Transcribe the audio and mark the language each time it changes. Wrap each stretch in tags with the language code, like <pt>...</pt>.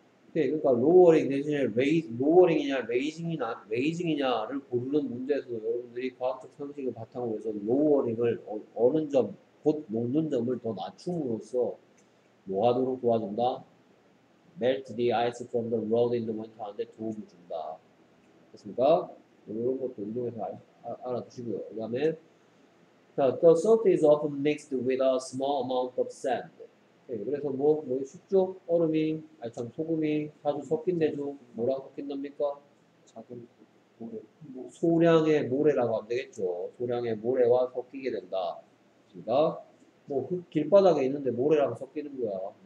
<ko>오케이. 그러니까, 로어링 대신에 로어링이냐, 레이징이냐를 고르는 문제에서도 여러분들이 과학적 상식을 바탕으로 해서 로어링을 어느 점, 곧 녹는 점을 더 낮춤으로써 뭐하도록 도와준다?</ko> <en>Melt the ice from the road in the winter</en> <ko>하는데 도움을 준다. 됐습니까? 이런 것도 운동해서 알아두시고요. 그 다음에,</ko> <en>The salt is often mixed with a small amount of sand.</en> <ko>네, 그래서 뭐 식초, 얼음이, 아니 참 소금이 자주 섞인대죠. 뭐랑 섞인답니까? 작은 모래. 소량의 모래라고 하면 되겠죠. 소량의 모래와 섞이게 된다. 그러니까 뭐 그 길바닥에 있는데 모래랑 섞이는 거야.</ko>